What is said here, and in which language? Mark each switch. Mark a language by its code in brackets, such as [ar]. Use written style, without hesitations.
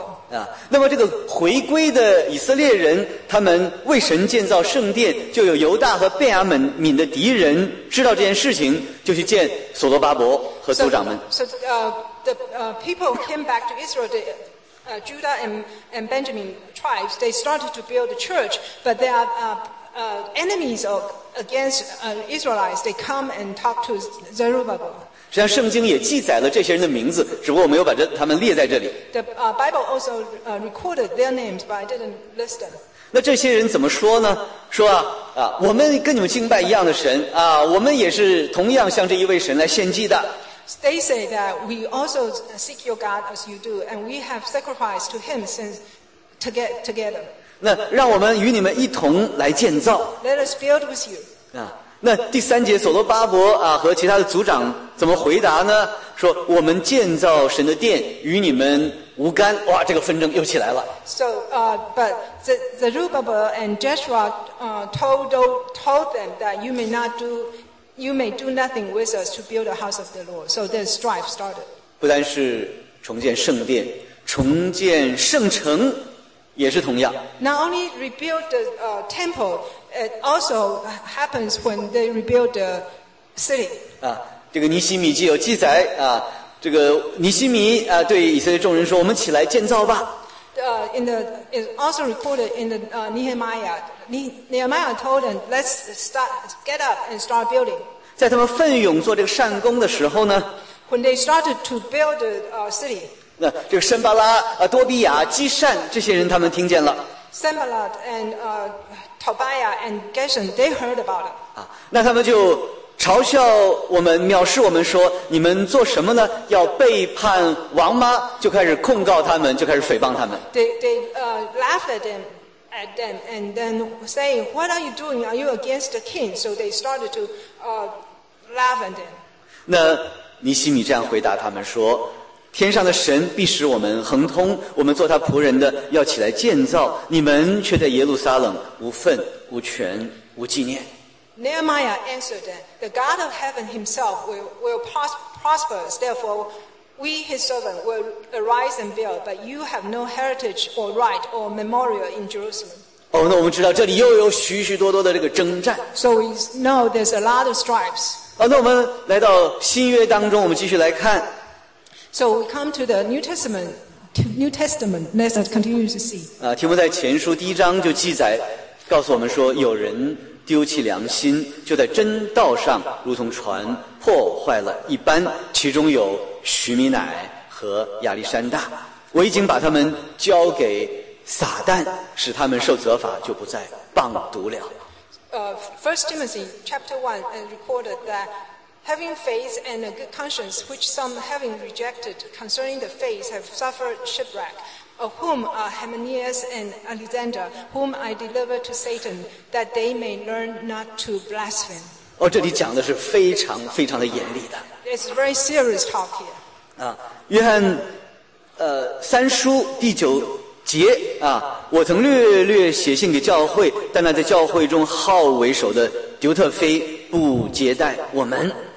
[zh] 啊，那么这个回归的以色列人，他们为神建造圣殿，就有犹大和便雅悯敏的敌人知道这件事情，就去见所罗巴伯和族长们。 [en] So the people came back to Israel, the Judah and Benjamin tribes. They started to build the church, but they are enemies of against Israelites. They come and talk to Zerubbabel. [zh] 实际上圣经也记载了这些人的名字，只不过我没有把他们列在这里。 [en] The Bible also recorded their names, but I didn't list them. [zh] 那这些人怎么说呢？说啊，我们跟你们敬拜一样的神啊，我们也是同样向这一位神来献祭的。 [en] They say that we also seek your God as you do, and we have sacrificed to him since together. [zh] 那让我们与你们一同来建造。 [en] Let us build with you. 啊。 [zh] 那第三节所罗巴伯啊和其他的族长怎么回答呢？说我们建造神的殿与你们无干。哇，这个纷争又起来了。 [en] So, but Zerubbabel and Joshua told them that you may do nothing with us to build a house of the Lord. So the strife started. [zh] 不单是重建圣殿，重建圣城也是同样。 [en] Not only rebuild the temple. It also happens when they rebuild the city. [zh] 啊，这个尼希米记有记载啊，这个尼希米啊对以色列众人说：“我们起来建造吧。” [en] It's also recorded in the Nehemiah told them, "Let's start, get up and start building." [zh] 在他们奋勇做这个善工的时候呢 [en] ，When they started to build the city, [zh] 那这个申巴拉、多比亚、基善这些人，他们听见了。 [en] Sambalat and Tobiah and Geshen, they heard about it. [zh] 啊，那他们就嘲笑我们，藐视我们说，你们做什么呢？要背叛王吗？就开始控告他们，就开始诽谤他们。 [en] They laughed at them and then saying, "What are you doing? Are you against the king?" So they started to laugh at them. [zh] 那尼希米这样回答他们说。天上的神必使我们亨通，我们做他仆人的要起来建造，你们却在耶路撒冷无份无权无纪念。 [en] Nehemiah answered them, "The God of heaven himself will prosper us, therefore we his servant will arise and build, but you have no heritage or right or memorial in Jerusalem." [zh] 哦，那我们知道这里又有许许多多的这个征战。 [en] So we know there's a lot of stripes. [zh] 哦，那我们来到新约当中，我们继续来看。 [en] So we come to the New Testament. Let's continue to see. [zh] 啊，提摩在前书第一章就记载，告诉我们说，有人丢弃良心，就在真道上，如同船破坏了一般。其中有徐米乃和亚历山大，我已经把他们交给撒旦，使他们受责罚，就不再棒读了。 [en] First Timothy chapter 1 and recorded that. Having faith and a good conscience, which some having rejected concerning the faith, have suffered shipwreck, of whom are Hymenaeus and Alexander, whom I deliver to Satan, that they may learn not to blaspheme. [zh] 哦，这里讲的是非常非常的严厉的。 [en] It's very serious talk here. [zh] 啊，约翰，三书第九节啊，我曾略略写信给教会，但那在教会中好为首的丢特非不接待我们。